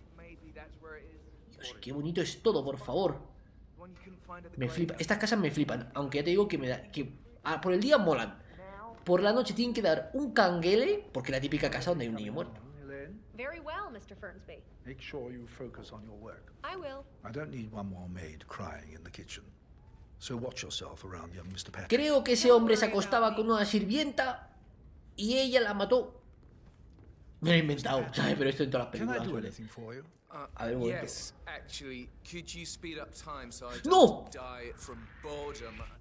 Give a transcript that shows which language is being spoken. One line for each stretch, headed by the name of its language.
Spanish: Dios, qué bonito es todo, por favor. Me flipa. Estas casas me flipan. Aunque ya te digo que me da... Que por el día molan. Por la noche tienen que dar un canguele. Porque es la típica casa donde hay un niño muerto.
English: Very well, Mr. Fernsby. Make sure you focus on your work. I will. I don't need one more maid crying in the kitchen. So watch yourself around young Mr. Patrick.
Spanish: Creo que ese hombre se acostaba con una sirvienta y ella la mató. Me he inventado, ¿sabes? Pero esto en todas las películas.
English: Can I do anything for you?
Spanish: A ver, bueno.
English: Yes, actually, could you speed up time so I don't die from boredom?